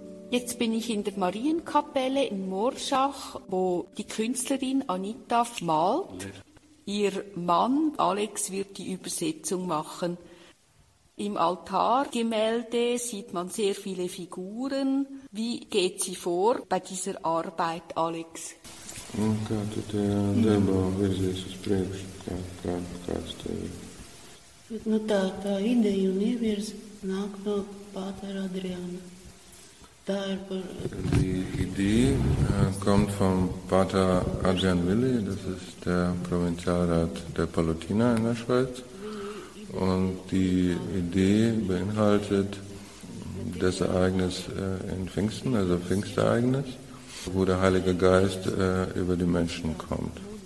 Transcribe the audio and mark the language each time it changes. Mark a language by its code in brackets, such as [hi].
[de] Jetzt bin ich in der Marienkapelle in Morschach, wo die Künstlerin Anita malt. Ihr Mann Alex wird die Übersetzung machen. Im Altargemälde sieht man sehr viele Figuren. Wie geht sie vor bei dieser Arbeit, Alex? [lv] Un kā tu te debā virzies uz priekšu, kāds tev ir? Nu tā ideja un ievirze nāk no Pātera Adriāna. Tā ir par... [de] Die ideja kommt vom Pāter Adrian Willi, das ist der Provinzialrat der Palotina in der Schweiz. Und die Idee beinhaltet das Ereignis in Pfingsten, also Pfingstereignis, wo der Heilige Geist über die Menschen kommt.